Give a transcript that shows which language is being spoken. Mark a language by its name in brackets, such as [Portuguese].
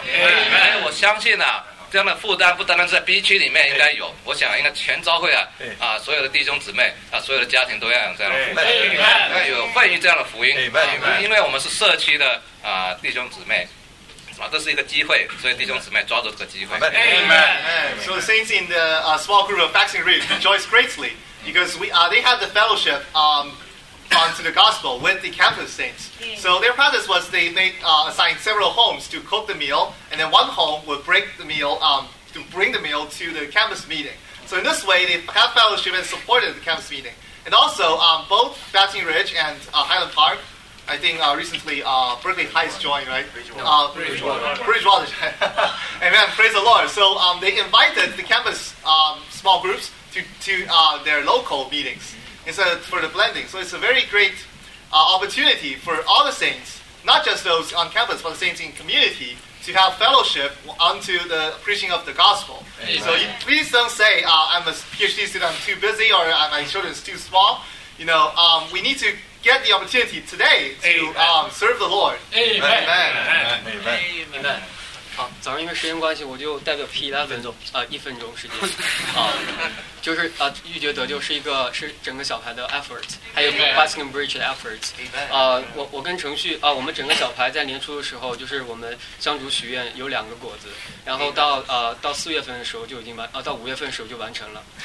[Chinese] 所以我相信这样的负担不单单是在 B 区里面应该有，我想应该全召会所有的弟兄姊妹所有的家庭都要有这样的负担，有份于这样的福音。因为我们是社区的弟兄姊妹，这是一个机会，所以弟兄姊妹抓住这个机会。 [English] Amen. So the saints in the small group of Baxing Ridge rejoice greatly because they have the fellowship onto the gospel with the campus saints. So their practice was they assigned several homes to cook the meal, and then one home would break the meal to bring the meal to the campus meeting. So in this way, they have fellowship and supported the campus meeting. And also, both Baxing Ridge and Highland Park, I think recently Berkeley Heights joined, right? Bridgewater. Amen. Praise the Lord. So they invited the campus small groups to their local meetings instead for the blending. So it's a very great opportunity for all the saints, not just those on campus, but the saints in community, to have fellowship onto the preaching of the gospel. Amen. So please don't say, I'm a PhD student, I'm too busy, or my children's too small. You know, we need to get the opportunity today to serve the Lord. Amen. [Chinese] 好，早上因为时间关系，我就代表 P11 一分钟时间。就是预决得救是整个小牌的 effort， 还有 Busing and Bridge 的 effort。我跟程序我们整个小牌在年初的时候，就是我们香烛许愿有两个果子，然后到四月份的时候就已经到五月份的时候就完成了。